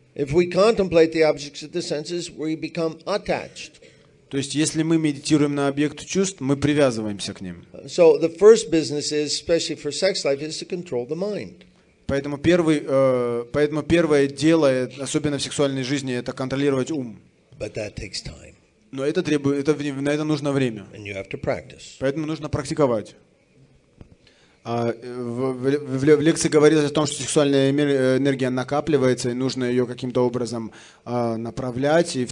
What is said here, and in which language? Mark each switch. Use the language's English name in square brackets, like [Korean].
[English] If we contemplate the objects of the senses, we become attached. [Russian] То есть, если мы медитируем на объект чувств, мы привязываемся к ним. [English] So the first business is, especially for sex life, is to control the mind. [Russian] Поэтому первое дело, особенно в сексуальной жизни, это контролировать ум. [English] But that takes time. [Russian] Но это требует, на это нужно время. [English] And you have to practice. [Russian] Поэтому нужно практиковать. В лекции говорилось о том, что сексуальная энергия накапливается, и нужно ее каким-то образом направлять.